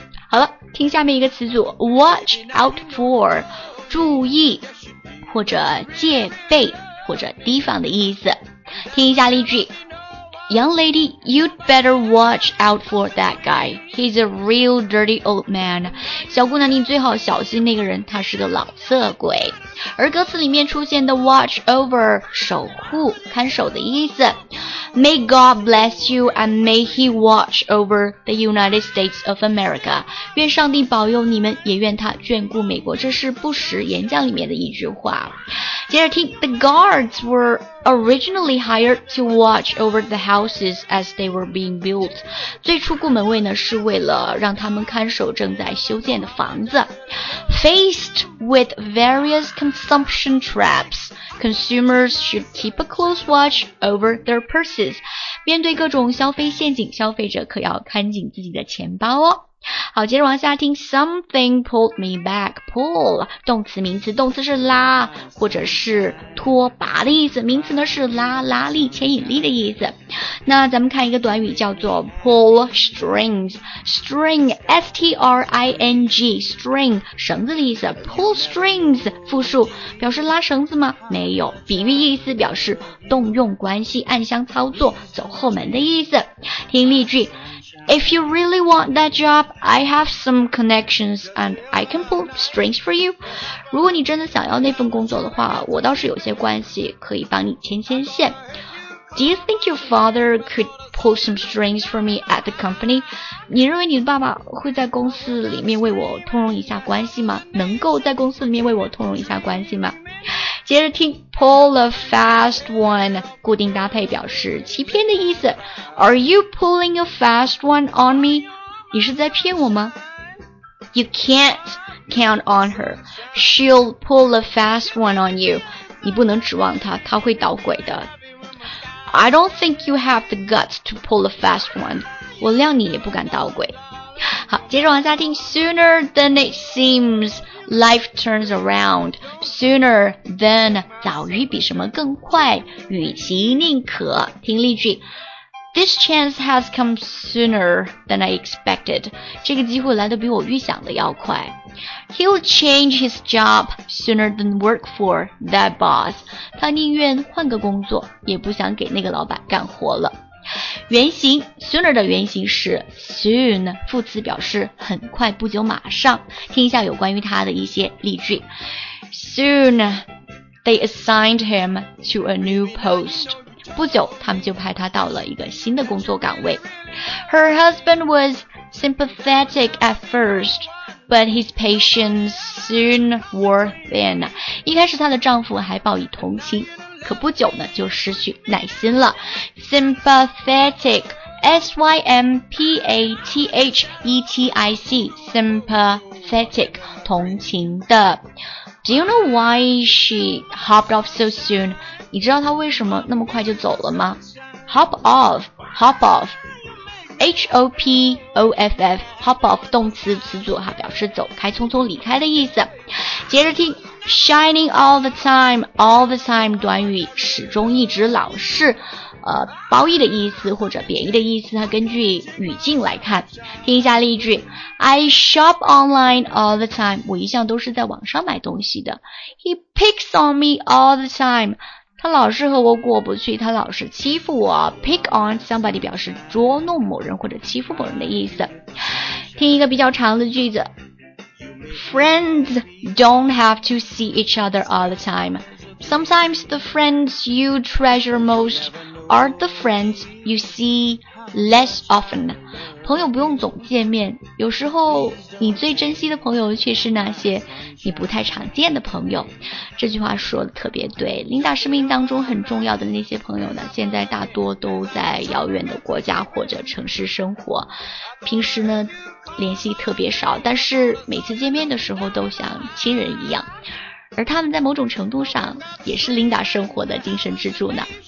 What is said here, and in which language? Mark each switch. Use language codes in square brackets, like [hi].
[zh] 好了，听下面一个词组， watch out for, 注意或者戒备或者提防的意思。听一下例句， [en] Young lady, you'd better watch out for that guy. He's a real dirty old man. [zh] 小姑娘，你最好小心那个人，他是个老色鬼。而歌词里面出现的 watch over, 守护看守的意思。 [en] May God bless you and may he watch over the United States of America. [zh] 愿上帝保佑你们，也愿他眷顾美国。这是布什演讲里面的一句话。接着听， [en] The guards were originally hired to watch over the houses as they were being built. [zh] 最初顾门卫呢，是为了让他们看守正在修建的房子。 [en] Faced with various consumption traps, consumers should keep a close watch over their purses. [zh] 面对各种消费陷阱，消费者可要看紧自己的钱包哦。好，接着往下听， [en] Something pulled me back. [zh] Pull, 动词名词，动词是拉或者是拖拔的意思，名词呢是拉拉力牵引力的意思。那咱们看一个短语叫做 pull strings, string, S-T-R-I-N-G, string, 绳子的意思。 Pull strings, 复数表示拉绳子吗？没有，比喻意思，表示动用关系，暗箱操作，走后门的意思。听例句， [en] If you really want that job, I have some connections and I can pull strings for you. [zh] 如果你真的想要那份工作的话，我倒是有些关系可以帮你牵牵线。 [en] Do you think your father could pull some strings for me at the company? [zh] 你认为你的爸爸会在公司里面为我通融一下关系吗？能够在公司里面为我通融一下关系吗？接着听， pull a fast one, 固定搭配，表示欺骗的意思。 [en] Are you pulling a fast one on me? [zh] 你是在骗我吗？ [en] You can't count on her, she'll pull a fast one on you. [zh] 你不能指望她，她会捣鬼的。 [en] I don't think you have the guts to pull a fast one. [zh] 我谅你也不敢捣鬼。好，接着往下听， [en] Sooner than it seems, life turns around. [zh] Sooner than, 早于比什么更快，与其宁可。听例句， [en] This chance has come sooner than I expected. [zh] 这个机会来得比我预想的要快。 [en] He'll change his job sooner than work for that boss. [zh] 他宁愿换个工作，也不想给那个老板干活了。原型 sooner 的原型是 soon， 副词表示很快、不久、马上。听一下有关于他的一些例句。 [en] Soon they assigned him to a new post. [zh] 不久他们就派他到了一个新的工作岗位。 [en] Her husband was sympathetic at first. But his patience soon wore thin. [zh] 一开始她的丈夫还抱以同情，可不久呢就失去耐心了。 Sympathetic S-Y-M-P-A-T-H-E-T-I-C Sympathetic 同情的。 [en] Do you know why she hopped off so soon? [zh] 你知道她为什么那么快就走了吗？ Hop off Hop offHOPOFF Hop off 动词词组哈，表示走开匆匆离开的意思。接着听 [en] Shining all the time [zh] All the time 短语始终一直老是褒义的意思或者贬义的意思，它根据语境来看。听一下例句， [en] I shop online all the time [zh] 我一向都是在网上买东西的。 [en] He picks on me all the time [zh] 他老是和我过不去，他老是欺负我。 Pick on somebody 表示捉弄某人或者欺负某人的意思。听一个比较长的句子， [en] Friends don't have to see each other all the time. Sometimes the friends you treasure most are the friends you see less often. [zh] 朋友不用总见面，有时候你最珍惜的朋友却是那些你不太常见的朋友。这句话说的特别对，琳达生命当中很重要的那些朋友呢，现在大多都在遥远的国家或者城市生活，平时呢联系特别少，但是每次见面的时候都像亲人一样，而他们在某种程度上也是琳达生活的精神支柱呢。